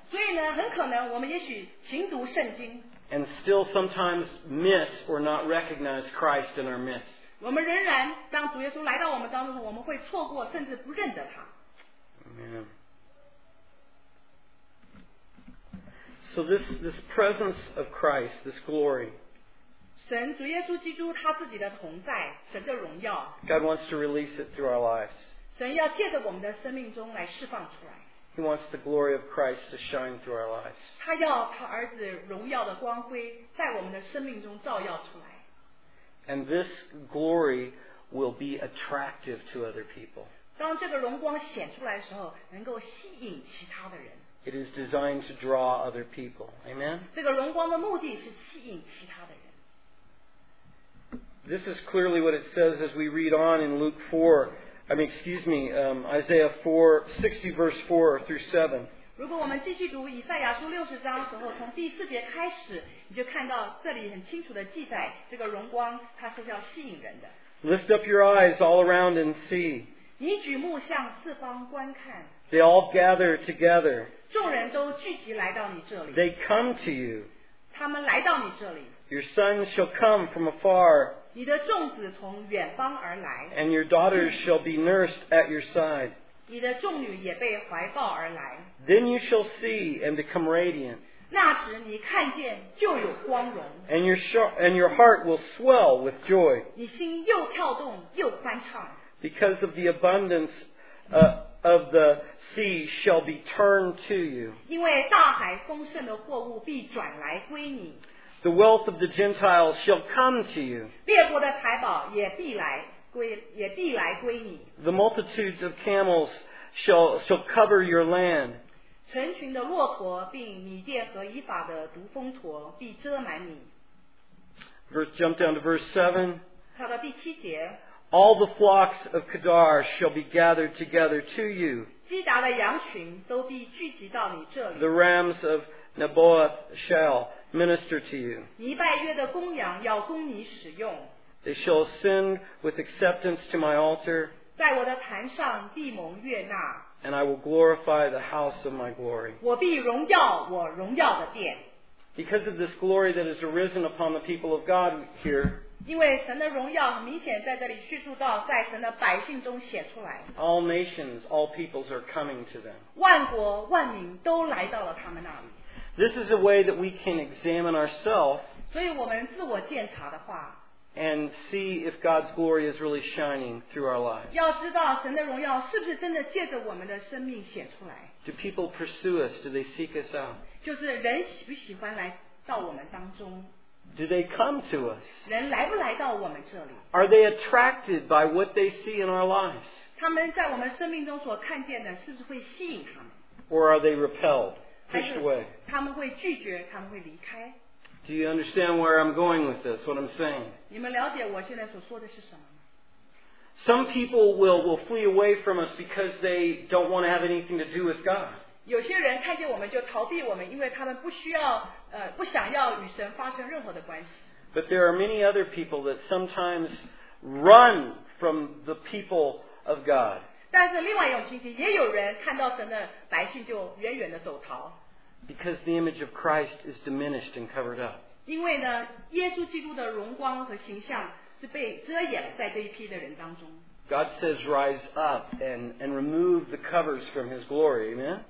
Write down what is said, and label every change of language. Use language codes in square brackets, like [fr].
[zh] 所以呢，很可能我们也许勤读圣经。 [en] And still sometimes miss or not recognize Christ in our midst. [zh] 我们仍然当主耶稣来到我们当中，我们会错过甚至不认得他。 [en] Amen. So this presence of Christ, this glory. [zh] 神主耶稣基督他自己的同在，神的荣耀。 [en] God wants to release it through our lives. [zh] 神要借着我们的生命中来释放出来。 [en] He wants the glory of Christ to shine through our lives. [zh] 他要他儿子荣耀的光辉在我们的生命中照耀出来。 [en] And this glory will be attractive to other people. [zh] 当这个荣光显出来的时候，能够吸引其他的人。 [en] It is designed to draw other people. Amen? [zh] 这个荣光的目的是吸引其他的人。 [en] This is clearly what it says as we read on in Luke 4. Isaiah 4, 60 verse 4 through 7. [zh] 如果我们继续读以赛亚书六十章的时候，从第四节开始，你就看到这里很清楚的记载，这个荣光它是要吸引人的。 [en] Lift up your eyes all around and see. [zh] 你举目向四方观看。 [en] They all gather together. [zh] 众人都聚集来到你这里。 [en] They come to you. [zh] 他们来到你这里。 [en] Your sons shall come from afar. [zh] 你的众子从远方而来。 [en] And your daughters shall be nursed at your side. [zh] 你的众女也被怀抱而来。 [en] Then you shall see and become radiant. [zh] 那时你看见就有光荣。 [en] And your heart will swell with joy. [zh] 你心又跳动又欢畅。 [en] Because of the abundance of the sea shall be turned to you. [zh] 因为大海丰盛的货物必转来归你。 [en] The wealth of the Gentiles shall come to you. [zh] 列国的财宝也必来归你。 [en] The multitudes of camels shall cover your land. [zh] 成群的骆驼并米甸和以法的毒蜂驼必遮满你。 [en] Jump down to verse 7. [zh] 跳到第七节。 [en] All the flocks of Kedar shall be gathered together to you. [zh] 基达的羊群都必聚集到你这里。 [en] The rams of Nebaioth shall minister to you. [zh] 尼拜约的公羊要供你使用。 [en] They shall ascend with acceptance to my altar. [zh] 在我的坛上必蒙悦纳。 [en] And I will glorify the house of my glory. [zh] 我必荣耀我荣耀的殿。 [en] Because of this glory that has arisen upon the people of God here. [zh] 因为神的荣耀明显在这里叙述到在神的百姓中显出来。 [en] All nations, all peoples are coming to them. [zh] 万国万民都来到了他们那里。 [en] This is a way that we can examine ourselves. [zh] 所以我们自我检查的话。 [en] And see if God's glory is really shining through our lives. [zh] 要知道神的荣耀是不是真的借着我们的生命显出来。 [en] Do people pursue us? Do they seek us out? [zh] 就是人喜不喜欢来到我们当中。 [en] Do they come to us? [zh] 人来不来到我们这里。 [en] Are they attracted by what they see in our lives? [zh] 他们在我们生命中所看见的是不是会吸引他们。 [en] Or are they repelled? Pushed away. [zh] 他们会拒绝，他们会离开。 [en] Do you understand where I'm going with this? What I'm saying? [zh] 你们了解我现在所说的是什么吗？ [en] Some people will flee away from us because they don't want to have anything to do with God. [zh] 有些人看见我们就逃避我们，因为他们不需要不想要与神发生任何的关系。 [en] But there are many other people that sometimes run from the people of God. [zh] 但是另外一种情形，也有人看到神的百姓就远远的走逃。 [en] Because the image of Christ is diminished and covered up. [zh] 因为呢，耶稣基督的荣光和形象是被遮掩在这一批的人当中。 [en] God says, "Rise up and remove the covers from His glory." Amen.